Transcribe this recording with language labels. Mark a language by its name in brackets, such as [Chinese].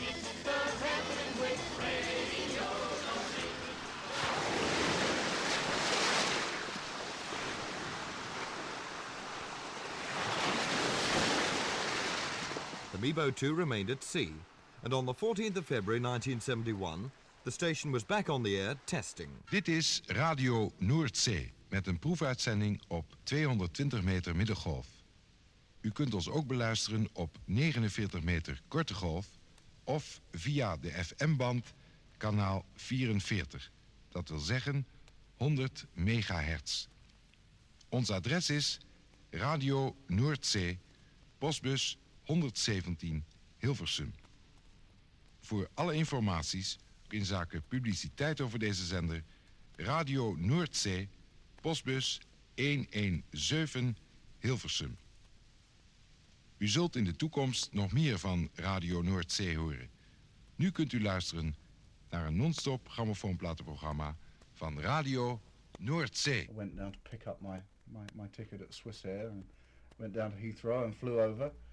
[English] It's the happening place. Radio North Sea. The Mebo 2 remained at sea, and on the 14th of February 1971, the station was back on the air testing. [Dutch] Dit is Radio Noordzee met een proefuitzending op 220 meter middengolf. U kunt ons ook beluisteren op 49 meter korte golf of via de FM-band kanaal 44. Dat wil zeggen 100 megahertz. Ons adres is Radio Noordzee, postbus 117 Hilversum. Voor alle informaties in zaken publiciteit over deze zender, Radio Noordzee, postbus 117 Hilversum. U zult in de toekomst nog meer van Radio Noordzee horen. Nu kunt u luisteren naar een non-stop grammofoonplatenprogramma van Radio Noordzee. [English] I went down to pick up my ticket at Swiss Air and went down to Heathrow and flew over.